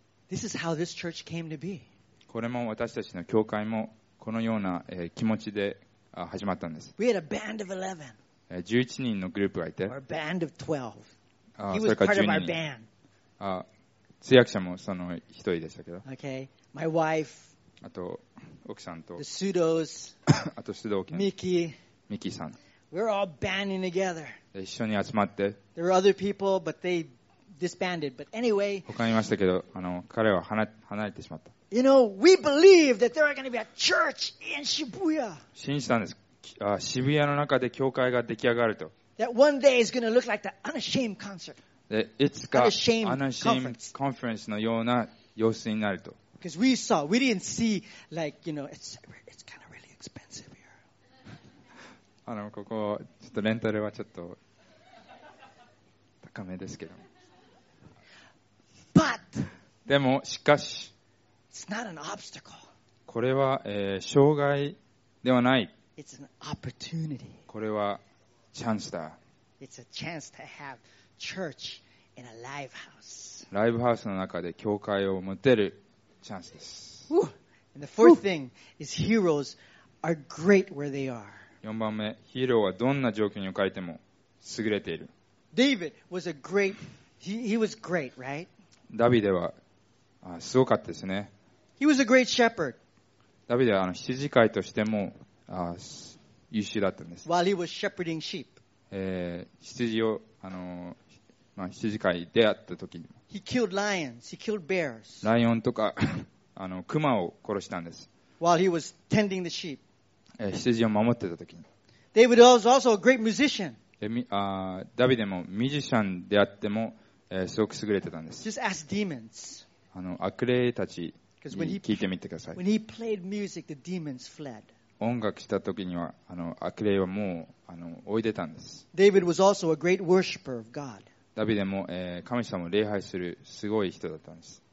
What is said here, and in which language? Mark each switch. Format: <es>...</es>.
<en>This is how this church came to be.</en> <ja>これも私たちの教会もこのような気持ちで始まったんです。</ja> <en>We had a band of 11.</en> <ja>11人のグループがいて。</ja> <en>Or a band of 12. He was part of our band.</en> <ja>通訳者もその一人でしたけど。</ja> <en>Okay. My wife.</en> <ja>あと、奥さんと。</ja> <en>The Sudos.</en> <ja>あと、Sudo.</ja> <en>Miki.</en> <ja>Miki さん。</ja> <en>We're all banding together.</en> <ja>一緒に集まって。</ja> <en>There were other people, but they disbanded. But anyway.</en> <ja>他にいましたけど、あの、彼は離れてしまった。</ja> <en>You know, we believe that there are going to be a church in Shibuya.</en> <ja>信じたんです。あ、渋谷の中で教会が出来上がると。</ja> <en>That one day is going to look like the Unashamed concert.</en> <ja>いつか Unashamed conference のような様子になると。</ja> <en>Because we saw, we didn't see like, you know, it's kind of really expensive here.</en> <ja>あの、ここ、ちょっとレンタルはちょっと高めですけど。</ja> <en>But!</en> <ja>でもしかし、</ja> <en>It's not an obstacle.</en> <ja>これは、障害ではない。</ja> <en>It's an opportunity.</en> <ja>これはチャンスだ。</ja> <en>It's a chance to have church in a live house.</en> <ja>ライブハウスの中で教会を持てるチャンスです。</ja> <en>And the fourth thing is heroes are great where they are.</en> <ja>4番目、ヒーローはどんな状況に置かれても優れている。</ja> <en>David was a great, he was great, right?</en> <ja>ダビデはすごかったですね。</ja> <en>He was a great shepherd.</en> <ja>ダビデは羊飼いとしても優秀だったんです。</ja> <en>While he was shepherding sheep.</en> <ja>羊を羊飼いであった時に。</ja> <en>He killed lions. He killed bears.</en> <ja>ライオンとか熊を殺したんです。</ja> <en>While he was tending the sheep.</en> <ja>羊を守ってた時に。</ja> <en>David was also a great musician.</en> <ja>ダビデもミュージシャンであっても、すごく優れてたんです。</ja> <en>Just ask demons.</en> <ja>悪霊たちに聞いてみてください。</ja> <en>When he played music, the demons fled.</en> <ja>音楽した時には悪霊はもう追い出たんです。</ja> <en>David was also a great worshipper of God.</en> <ja>ダビデも、神様を礼拝するすごい人だったんです。</ja>